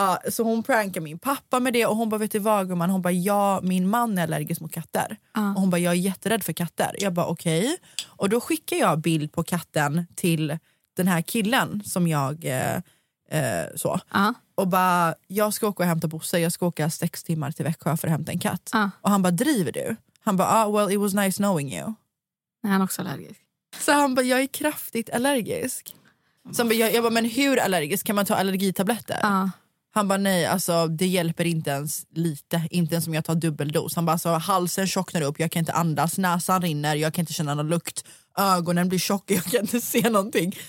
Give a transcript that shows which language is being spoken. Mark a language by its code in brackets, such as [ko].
[sv] Så hon prankade min pappa med det. Och hon bara, vet du vad, gumman? Hon bara, ja, min man är allergisk mot katter. Och hon bara, jag är jätterädd för katter. Jag bara, okej. [en] Okay. [sv] Och då skickar jag bild på katten till den här killen som jag så. Och bara, jag ska åka och hämta Bosse. Jag ska åka 6 timmar till Växjö för att hämta en katt. Och han bara, driver du? Han bara, [en] well, it was nice knowing you. [sv] Nej, han är också allergisk. Så han bara, jag är kraftigt allergisk. Så han bara, jag bara, men hur allergisk? Kan man ta allergitabletter? Han bara, nej, alltså det hjälper inte ens lite. Inte ens om jag tar dubbeldos. Han bara, så alltså, halsen tjocknar upp, jag kan inte andas. Näsan rinner, jag kan inte känna någon lukt. Ögonen blir tjock, jag kan inte se någonting.